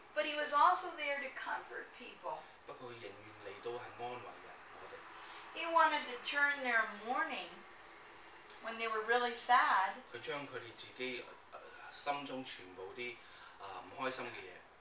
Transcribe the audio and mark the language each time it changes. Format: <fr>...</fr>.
<en>But he was also there to comfort people.</en> <yue>不過他仍然來到是安慰人我們。</yue> <en>He wanted to turn their mourning when they were really sad.</en> <yue>他將他們自己心中全部的不開心的東西。</yue>